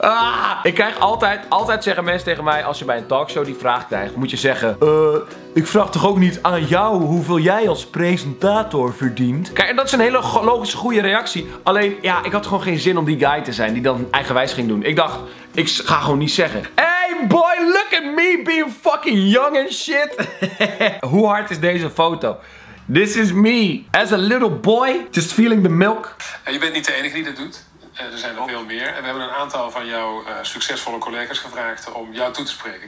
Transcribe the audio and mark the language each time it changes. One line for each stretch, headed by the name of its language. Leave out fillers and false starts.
Dutch: Ah, ik krijg altijd zeggen mensen tegen mij, als je bij een talkshow die vraag krijgt, moet je zeggen... Ik vraag toch ook niet aan jou hoeveel jij als presentator verdient? Kijk, en dat is een hele logische goede reactie. Alleen, ja, ik had gewoon geen zin om die guy te zijn die dan eigenwijs ging doen. Ik dacht, ik ga gewoon niet zeggen.
English: Hey boy, look at me being fucking young and shit!
Dutch: Hoe hard is deze foto?
English: This is me, as a little boy, just feeling the milk.
Dutch: En je bent niet de enige die dat doet. Er zijn nog veel meer. En we hebben een aantal van jouw succesvolle collega's gevraagd om jou toe te spreken.